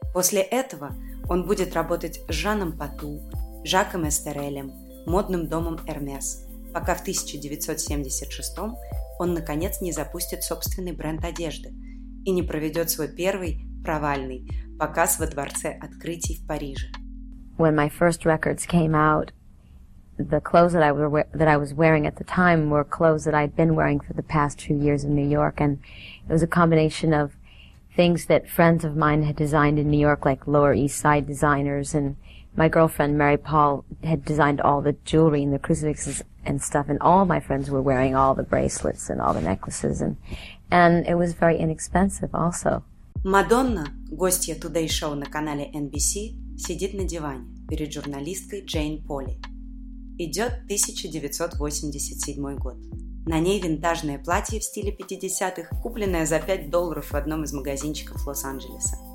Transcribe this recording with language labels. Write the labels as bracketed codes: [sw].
[ru] После этого он будет работать с Жаном Пату, Жаком Эстерелем, модным домом «Эрмес», пока в 1976 он наконец не запустит собственный бренд одежды и не проведет свой первый провальный показ во Дворце открытий в Париже. [en] When my first records came out, the clothes that I was wearing at the time were clothes that I'd been wearing for the past 2 years in New York, and it was a combination of things that friends of mine had designed in New York, like Lower East Side designers, and my girlfriend Mary Paul had designed all the jewelry and the crucifixes and stuff, and all my friends were wearing all the bracelets and all the necklaces, and it was very inexpensive also. [ru] Madonna, гостья Today Show на канале NBC, сидит на диване перед журналисткой Джейн Полли. Идет 1987 год. На ней винтажное платье в стиле 50-х, купленное за $5 в одном из магазинчиков Лос-Анджелеса.